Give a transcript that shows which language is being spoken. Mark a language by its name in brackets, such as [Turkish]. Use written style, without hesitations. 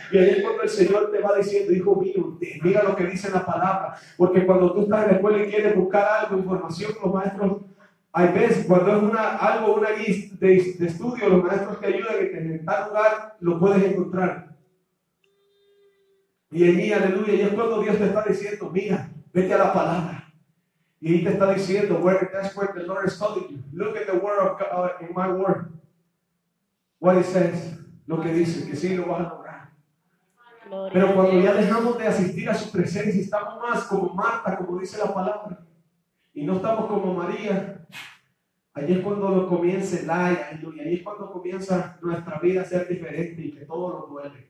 [Spanish] Y ahí es cuando el Señor te va diciendo, hijo mío, mira lo que dice la palabra, porque cuando tú estás en la escuela y quieres buscar algo, información, los maestros, hay veces, cuando es una lista de estudio, los maestros te ayudan y en tal lugar lo puedes encontrar. Y allí, aleluya, y es cuando Dios te está diciendo, mira, vete a la palabra. Y ahí te está diciendo, [English] that's where the Lord is telling you. Look at the word of God, in my word. What it says. [Spanish] Lo que dice, que sí lo vas a lograr. Pero cuando ya dejamos de asistir a su presencia, estamos más como Marta, como dice la palabra, y no estamos como María, ahí es cuando lo comienza el aire, y ahí es cuando comienza nuestra vida a ser diferente y que todo nos duele.